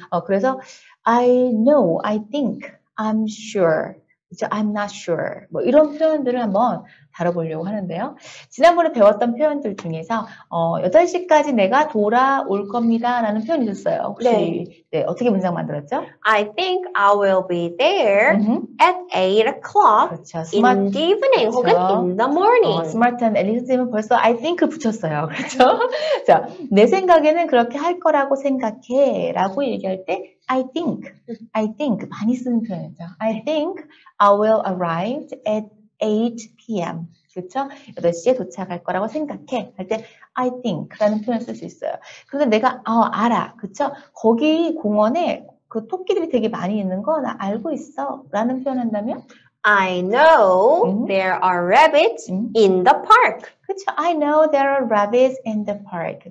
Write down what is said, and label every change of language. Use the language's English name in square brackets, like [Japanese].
[English] 그래서 I know, I think, I'm sure. I'm not sure. [Korean] 뭐 이런 표현들을 한번 다뤄보려고 하는데요. 지난번에 배웠던 표현들 중에서 8시까지 내가 돌아올 겁니다라는 표현이 있었어요. 혹시 네, 어떻게 문장 만들었죠? [English] I think I will be there at 8 o'clock [Korean] 그렇죠. [English] in the evening 혹은 [Korean] 그렇죠. [English] in the morning. [Korean] 스마트한 앨리스님은 벌써 I think 붙였어요. 그렇죠? 자, 내 생각에는 그렇게 할 거라고 생각해라고 얘기할 때 I think 많이 쓰는 표현이죠. [English] I think I will arrive at 8 p.m. [Korean] 그렇죠? 8시에 도착할 거라고 생각해. 할때 I think라는 표현을 쓸수 있어요. 근데 내가 알아. 그렇죠? 거기 공원에 그 토끼들이 되게 많이 있는 거나 알고 있어. 라는 표현을 한다면 [English] I know there are rabbits in the park. [Korean] 그렇죠. [English] I know there are rabbits in the park.